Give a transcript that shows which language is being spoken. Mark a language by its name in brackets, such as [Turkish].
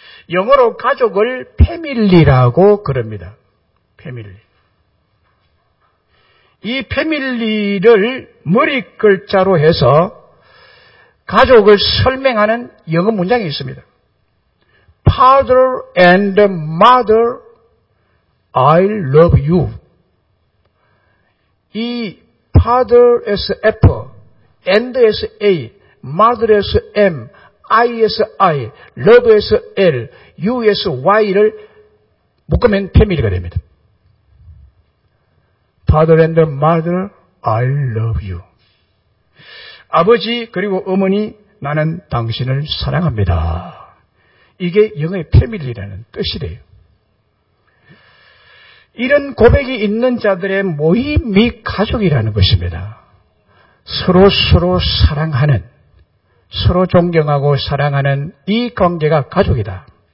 [Korean] 영어로 가족을 패밀리라고 그럽니다. 패밀리. 이 패밀리를 머리 글자로 해서 가족을 설명하는 영어 문장이 있습니다. [English] Father and mother, I love you. 이 father as F, and as A, mother as M, I as I, love as L, U as Y [Korean] 를 묶으면 패밀리가 됩니다. [English] Father and mother, I love you. [Korean] 아버지 그리고 어머니, 나는 당신을 사랑합니다. 이게 영어의 패밀리라는 뜻이래요. 이런 고백이 있는 자들의 모임 및 가족이라는 것입니다. 서로 서로 사랑하는, 서로 존경하고 사랑하는 이 관계가 가족이다.